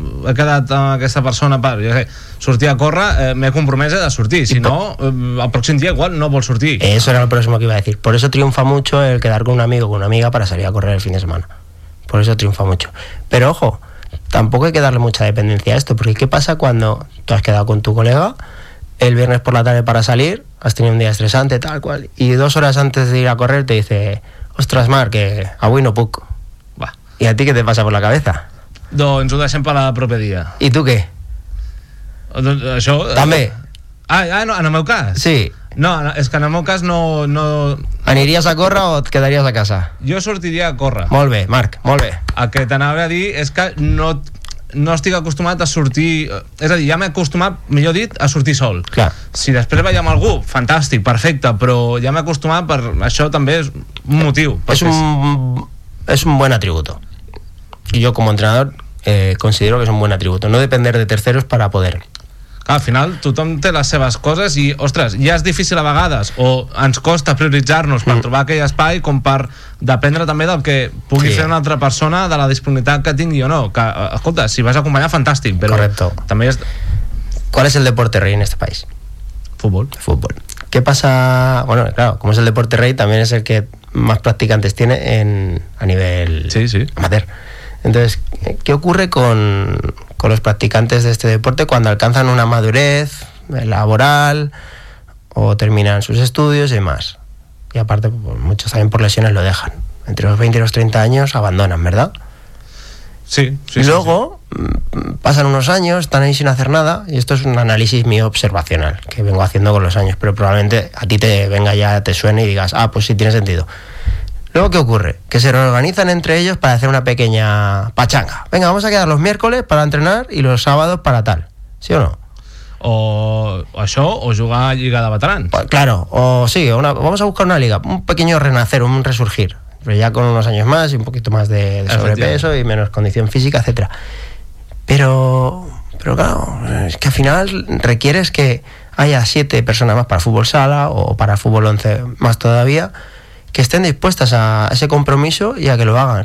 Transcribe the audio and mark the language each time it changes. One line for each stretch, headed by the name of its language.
Catalan: he quedat amb aquesta persona per sortir a córrer, m'he compromès de sortir, si no, el pròxim dia igual no vol sortir.
Spanish: Eso era lo próximo que iba a decir. Por eso triunfa mucho el quedar con un amigo o con una amiga para salir a correr el fin de semana. Por eso triunfa mucho. Pero ojo, tampoco hay que darle mucha dependencia a esto, porque ¿qué pasa cuando tú has quedado con tu colega el viernes por la tarde para salir, has tenido un día estresante, tal cual, y dos horas antes de ir a correr te dice...
Catalan: Ostras, Marc, que avui no puc. Va. I a ti què te passa per la cabeza? Doncs ho deixem per la propera dia. I tu què? Això... També. No, en el meu cas? Sí. No, és que en el meu cas no... Aniries a córrer o et quedaries a casa? Jo sortiria a córrer. Molt bé, Marc, molt bé. El que t'anava a dir és que no estic acostumat a sortir... És a dir, ja m'he acostumat, millor dit, a sortir sol. Clar. Si després vaig amb algú, fantàstic, perfecte, però ja m'he acostumat per... Això també és un motiu. És un bon atributo. I jo, com a entrenador, considero que és un bon atributo.
Spanish: No depender de terceros para poder.
Catalan: Clar, al final, tothom té les seves coses i, ostres, ja és difícil a vegades, o ens costa prioritzar-nos per trobar aquell espai com per dependre també del que pugui fer una altra persona, de la disponibilitat que tingui o no. Que, escolta, si vas acompanyar, fantàstic. Però
Spanish: correcto.
Catalan: També és...
Spanish: ¿Cuál es el deporte rey en este país? Fútbol. Fútbol. ¿Qué pasa...? Bueno, claro, como es el deporte rey, también es el que más practicantes tiene a nivel amateur. Entonces, ¿qué ocurre con los practicantes de este deporte cuando alcanzan una madurez laboral o terminan sus estudios y demás? Y aparte, pues, muchos también por lesiones lo dejan. Entre los 20 y los 30 años abandonan, ¿verdad? Sí, sí. Y luego sí. Pasan unos años, están ahí sin hacer nada, y esto es un análisis mío observacional que vengo haciendo con los años, pero probablemente a ti te venga ya, te suene y digas, ah, pues sí, tiene sentido. Luego, ¿qué ocurre? Que se reorganizan entre ellos para hacer una pequeña pachanga. Venga, vamos a quedar los miércoles para entrenar y los sábados para tal. ¿Sí o no?
Catalan: O això, o jugar a Lliga de Veterans.
Spanish: Pues, claro, o sí, vamos a buscar una liga, un pequeño renacer, un resurgir. Pero ya con unos años más y un poquito más de sobrepeso y menos condición física, etc. Pero claro, es que al final requieres que haya 7 personas más para fútbol sala o para fútbol 11 más todavía, que estén dispuestas a ese compromiso y a que lo hagan.